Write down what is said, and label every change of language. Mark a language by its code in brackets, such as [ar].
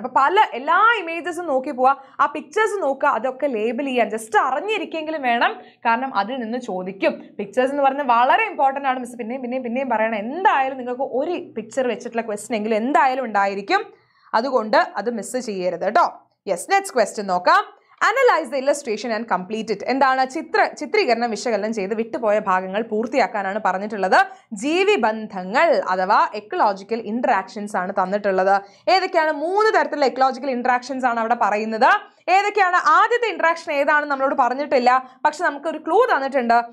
[ml] അപ്പൊ എല്ലാ ഇമേജസും നോക്കി പോവുക, ആ പിക്ചേഴ്സ് നോക്കുക, അതൊക്കെ ലേബിൾ ചെയ്യാൻ ജസ്റ്റ് അറിഞ്ഞിരിക്കെങ്കിലും വേണം. കാരണം അതിൽ നിന്ന് ചോദിക്കും. പിക്ചേഴ്സ് എന്ന് പറഞ്ഞാൽ വളരെ ഇമ്പോർട്ടൻ്റ് ആണ് മിസ്, പിന്നെയും പിന്നെയും പിന്നെയും പറയണം. എന്തായാലും നിങ്ങൾക്ക് ഒരു പിക്ചർ വെച്ചിട്ടുള്ള ക്വസ്റ്റ്യൻ എങ്കിലും എന്തായാലും ഉണ്ടായിരിക്കും, അതുകൊണ്ട് അത് മിസ് ചെയ്യരുത് കേട്ടോ. യെസ് നെക്സ്റ്റ് ക്വസ്റ്റ്യൻ നോക്കാം. [en] Analyze the illustration and complete it. [ml] എന്താണ് ചിത്രീകരണം വിശകലനം ചെയ്ത് വിട്ടുപോയ ഭാഗങ്ങൾ പൂർത്തിയാക്കാനാണ് പറഞ്ഞിട്ടുള്ളത്. ജീവിബന്ധങ്ങൾ അഥവാ എക്കോളജിക്കൽ ഇൻട്രാക്ഷൻസ് ആണ് തന്നിട്ടുള്ളത്. ഏതൊക്കെയാണ് മൂന്ന് തരത്തിലുള്ള എക്കോളജിക്കൽ ഇൻട്രാക്ഷൻസ് ആണ് അവിടെ പറയുന്നത്? ഏതൊക്കെയാണ്? ആദ്യത്തെ ഇൻട്രാക്ഷൻ ഏതാണ് നമ്മളോട് പറഞ്ഞിട്ടില്ല, പക്ഷെ നമുക്കൊരു ക്ലൂ തന്നിട്ടുണ്ട്.